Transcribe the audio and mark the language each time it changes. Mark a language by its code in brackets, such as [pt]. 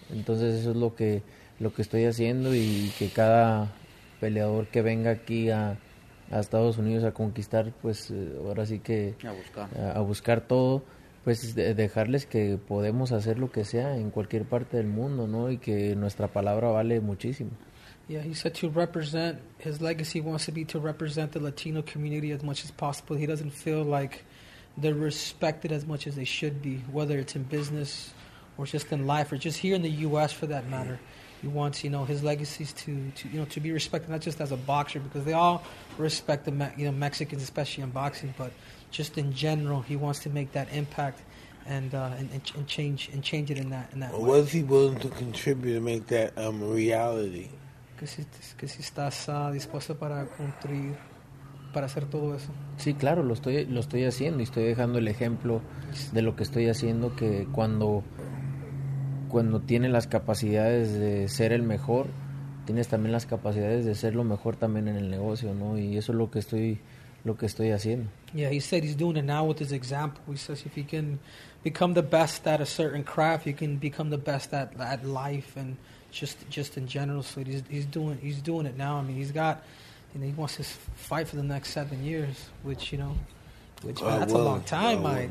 [es] Entonces eso es lo que estoy haciendo, y que cada peleador que venga aquí a Estados Unidos a conquistar, pues ahora sí que a buscar todo, pues dejarles que podemos hacer lo que sea en cualquier parte del mundo, ¿no? Y que nuestra palabra vale muchísimo. [en] Yeah, he said to represent, his legacy wants to be to represent the Latino community as much as possible. He doesn't feel like they're respected as much as they should be, whether it's in business or just in life or just here in the U.S. for that matter. He wants, you know, his legacy is to be respected, not just as a boxer, because they all respect the Mexicans, especially in boxing, but just in general, he wants to make that impact and change it in that way. What is he willing to contribute to make that reality? [es] Que si estás dispuesto para cumplir, para hacer todo eso. Sí, claro, lo estoy haciendo, y estoy dejando el ejemplo de lo que estoy haciendo, que cuando tienes las capacidades de ser el mejor, tienes también las capacidades de ser lo mejor también en el negocio, ¿no? Y eso es lo que estoy haciendo. [en] Yeah, he said he's doing it now with his example. He says if he can become the best at a certain craft, he can become the best at life and just in general. So he's doing it now. I mean, he's got, you know, he wants to fight for the next 7 years, which, man, that's a long time.